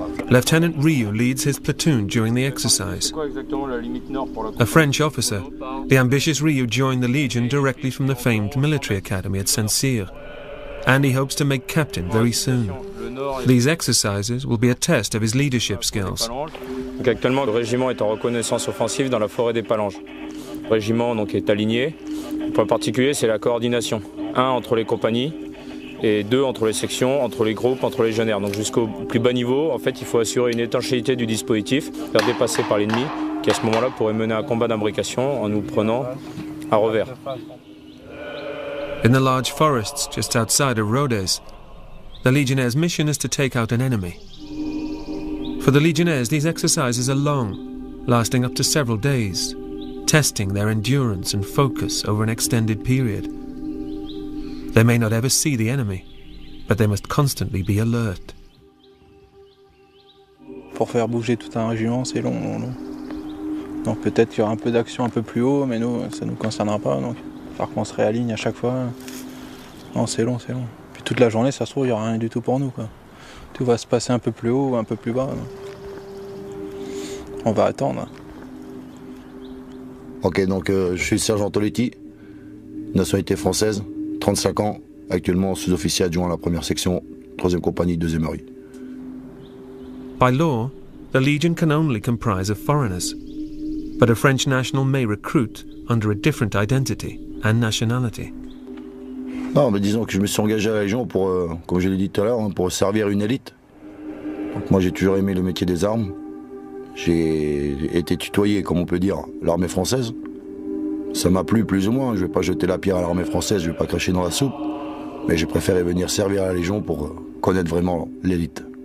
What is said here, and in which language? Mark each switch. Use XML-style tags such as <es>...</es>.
<en>Lieutenant Riou leads his platoon during the exercise. A French officer, the ambitious Riou joined the Legion directly from the famed military academy at Saint-Cyr, and he hopes to make captain very soon. These exercises will be a test of his leadership skills.</en> <fr>Actuellement, le régiment est en reconnaissance offensive dans la forêt des Palanges. Le régiment donc est aligné. Le point particulier, c'est la coordination. 1 entre les compagnies et 2 entre les sections, entre les groupes, entre les légionnaires. Donc jusqu'au plus bas niveau, en fait, il faut assurer une étanchéité du dispositif, faire dépasser par l'ennemi, qui à ce moment-là pourrait mener un combat d'imbrication en nous prenant à revers.</fr> <en>In the large forests just outside of Rodez, the Legionnaires' mission is to take out an enemy. For the Legionnaires, these exercises are long, lasting up to several days, testing their endurance and focus over an extended period. They may not ever see the enemy, but they must constantly be alert.</en> <fr>Pour faire bouger tout un régiment, c'est long, long, long. Donc peut-être qu'il y aura un peu d'action un peu plus haut, mais nous, ça ne nous concernera pas. Donc, faire qu'on se réaligne à chaque fois, non, c'est long, c'est long. Puis toute la journée, ça se trouve, il n'y aura rien du tout pour nous, quoi. Tout va se passer un peu plus haut ou un peu plus bas. Donc. On va attendre. Ok, donc je suis sergent Toletti, nationalité française, 35 ans, actuellement sous-officier adjoint à la 1ère section, 3ème compagnie, 2ème rue.</fr> <en>By law, the Legion can only comprise of foreigners, but a French national may recruit under a different identity and nationality.</en> <fr>Non, mais disons que je me suis engagé à la Légion pour, comme je l'ai dit tout à l'heure, pour servir une élite. Donc moi j'ai toujours aimé le métier des armes. J'ai été tutoyé, comme on peut dire, l'armée française. Ça m'a plu plus ou moins, je ne vais pas jeter la pierre à l'armée française, je ne vais pas cracher dans la soupe, mais j'ai préféré venir servir à la Légion pour connaître vraiment l'élite.</fr>